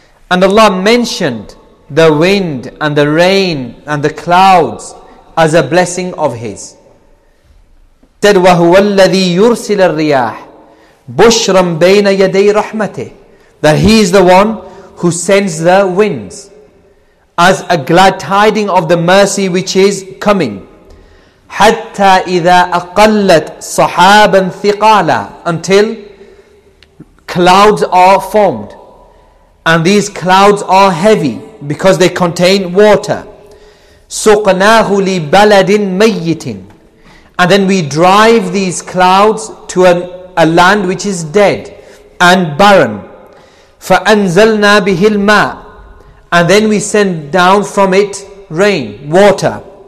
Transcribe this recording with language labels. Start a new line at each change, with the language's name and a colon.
English: And Allah mentioned the wind and the rain and the clouds as a blessing of His. Said,
Arabic: وَهُوَ الَّذِي يُرْسِلَ الرِّيَاحِ بُشْرًا بَيْنَ يَدَيْ رَحْمَتِهِ,
English: that He is the one who sends the winds as a glad tiding of the mercy which is coming.
Arabic: حَتَّى إِذَا أَقَلَّتْ صَحَابًا ثِقَالًا,
English: until clouds are formed. And these clouds are heavy because they contain water.
Arabic: سُقْنَاهُ لِبَلَدٍ مَيِّتٍ,
English: and then we drive these clouds to a land which is dead and barren.
Arabic: فَأَنْزَلْنَا بِهِ الْمَاءِ,
English: and then we send down from it rain, water.